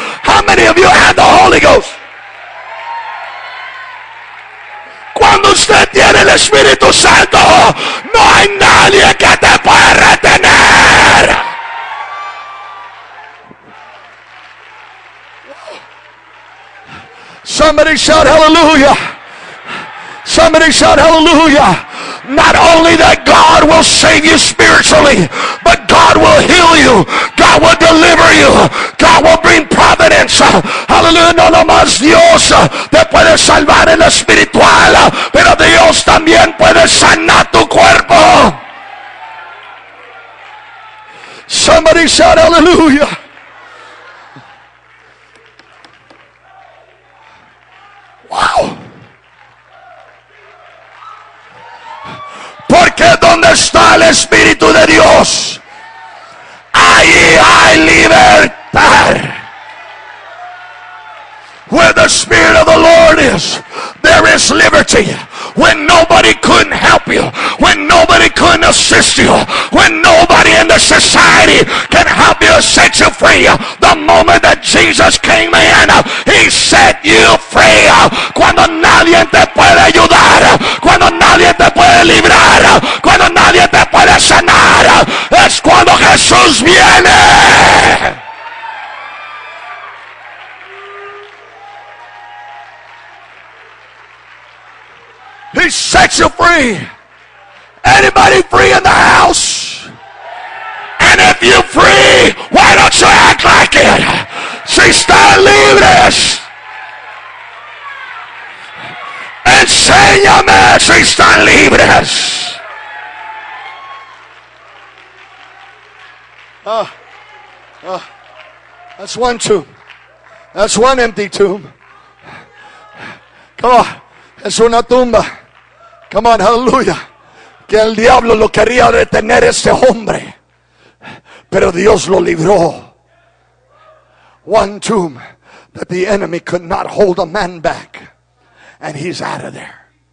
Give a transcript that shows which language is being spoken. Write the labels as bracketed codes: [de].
[en] How many of you had the Holy Ghost? [es] Cuando usted tiene el Espíritu Santo, no hay nadie que te pueda retener. [en] Somebody shout hallelujah. Somebody shout hallelujah. Not only that God will save you spiritually, but God will heal you. God will deliver you. God will bring providence. Hallelujah. [es] No nomás Dios te puede salvar en lo espiritual, pero Dios también puede sanar tu cuerpo. [en] Somebody shout hallelujah. Wow. [es] Porque donde está el Espíritu de Dios, ahí hay libertad. [en] Where the Spirit of the Lord is, there is liberty. When nobody couldn't help you, when nobody couldn't assist you, when nobody in the society can help you set you free, the moment that Jesus came in, he set you free. [es] Cuando nadie te puede ayudar, cuando nadie te puede librar, cuando nadie te puede sanar, es cuando Jesús viene. [en] He sets you free. Anybody free in the house? And if you're free, why don't you act like it? [es] Si están libres, enséñame si están libres. [en] That's one tomb. That's one empty tomb. Come on. [es] Es una tumba. [en] Come on, hallelujah. [es] Que el diablo lo quería retener ese hombre, pero Dios lo libró. [en] One tomb that the enemy could not hold a man back, and he's out of there.